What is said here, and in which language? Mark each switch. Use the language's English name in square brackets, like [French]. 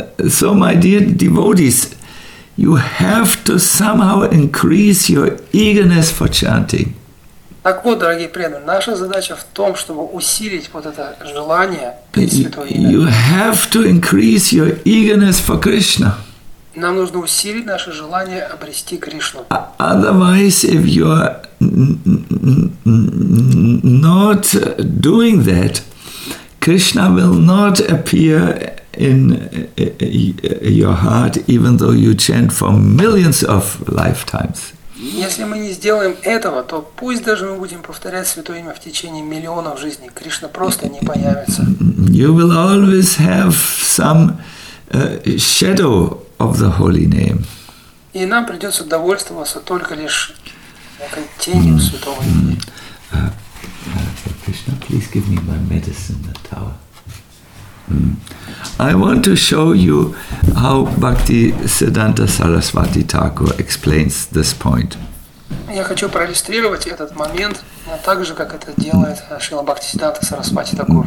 [English] So, my dear devotees, you have to somehow increase your eagerness for chanting. [Russian] Так вот, дорогие преданные, наша задача в том, чтобы усилить вот это желание петь святое имя. [English] You have to increase your eagerness for Krishna. [Russian] Нам нужно усилить наше желание обрести Кришну. [English] Otherwise, if you are not doing that, Krishna will not appear in your heart, even though you chant for millions of lifetimes. [Russian] Если мы не сделаем этого, то пусть даже мы будем повторять святое имя в течение миллионов жизней, Кришна просто не появится. [English] You will always have some shadow of the holy name. [Russian] И нам придется довольствоваться только лишь тенью святого имени. [English] Krishna, please give me my medicine, the tower. I want to show you how Bhakti Siddhanta Sarasvati Thakur explains this point. [Russian] Я хочу проиллюстрировать этот момент так же, как это делает Шрила Бхакти Сиддханта Сарасвати Такур.